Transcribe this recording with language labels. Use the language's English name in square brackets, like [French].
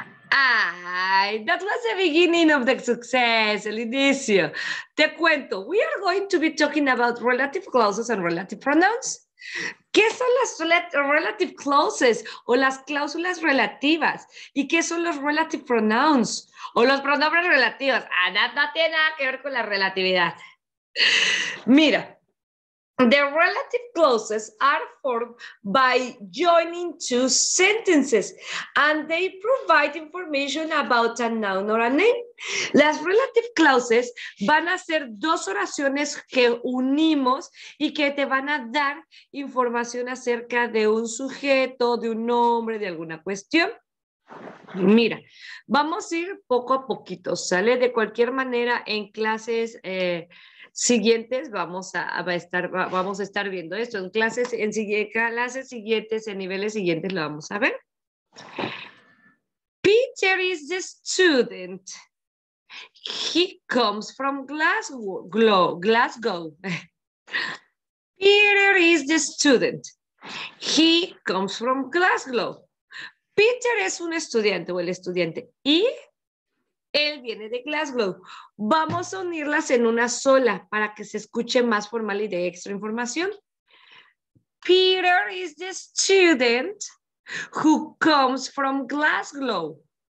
[English] That was the beginning of the success, [Spanish] el inicio. Te cuento, [English] we are going to be talking about relative clauses and relative pronouns. [Spanish] ¿Qué son las [English] relative clauses [Spanish] o las cláusulas relativas? ¿Y qué son los [English] relative pronouns [Spanish] o los pronombres relativos? No tiene nada que ver con la relatividad. Mira, [English] the relative clauses are formed by joining two sentences and they provide information about a noun or a name. [Spanish] Las [English] relative clauses [Spanish] van a ser dos oraciones que unimos y que te van a dar información acerca de un sujeto, de un nombre, de alguna cuestión. Mira, vamos a ir poco a poquito, ¿sale? De cualquier manera, en clases siguientes vamos a estar viendo esto. En clases siguientes, en niveles siguientes lo vamos a ver. [English] Peter is the student. He comes from Glasgow. Peter is the student. He comes from Glasgow. [Spanish] Peter es un estudiante o el estudiante y él viene de Glasgow. Vamos a unirlas en una sola para que se escuche más formal y de extra información. [English] Peter is the student who comes from Glasgow.